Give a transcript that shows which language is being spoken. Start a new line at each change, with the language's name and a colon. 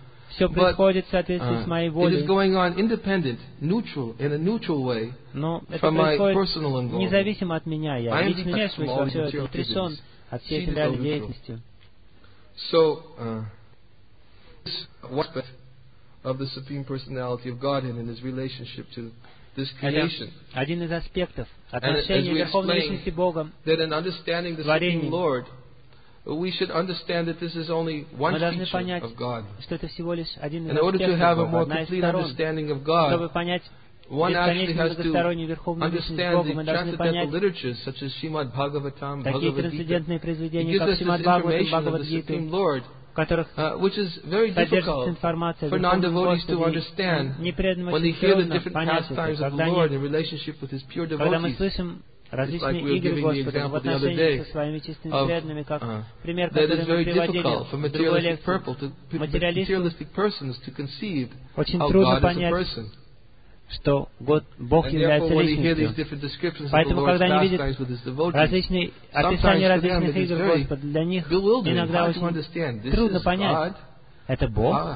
Russian: Все происходит в соответствии с моей волей. Но это происходит независимо от меня. Я лично вмешиваюсь во все это, потрясен от всей этой реальной деятельности.
English: So, this one aspect of the Supreme Personality of Godhead and His relationship to this creation.
Russian: Один из аспектов отношения Верховной Личности Бога к творению.
English: We should understand that this is only one feature of God.
Russian: Что это всего лишь один из аспектов.
English: In order to have a more complete understanding of God,
Russian: чтобы понять
English: one actually has to understand the transcendental literatures such as Srimad Bhagavatam, Bhagavad-gita. It gives us this information of the Supreme Lord, which is very difficult for non-devotees to understand when they hear the different pastimes of the Lord in relationship with His pure devotees.
Russian: Различные игры Господа в отношении со своими чистыми преданными, как пример, который мы приводили в другой лекции. Материалистам очень трудно понять, что Бог является личностью. Поэтому, когда они видят различные описания различных игр Господа, для них иногда очень трудно понять, это Бог?